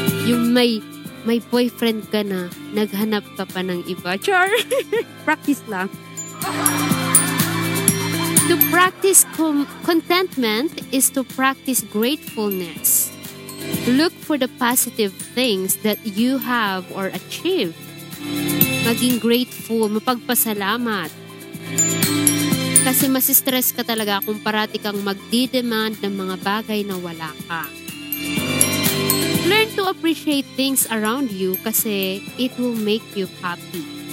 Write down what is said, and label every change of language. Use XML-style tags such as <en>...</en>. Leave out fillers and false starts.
<tl>Yung may boyfriend ka na, naghanap ka pa ng iba. Char! Practice lang.</tl> <en>To practice contentment is to practice gratefulness. Look for the positive things that you have or achieve.</en> <tl>Maging grateful, mapagpasalamat. Kasi masistress ka talaga kung parati kang magdi-demand ng mga bagay na wala ka.</tl> <en>Learn to appreciate things around you kasi it will make you happy.</en>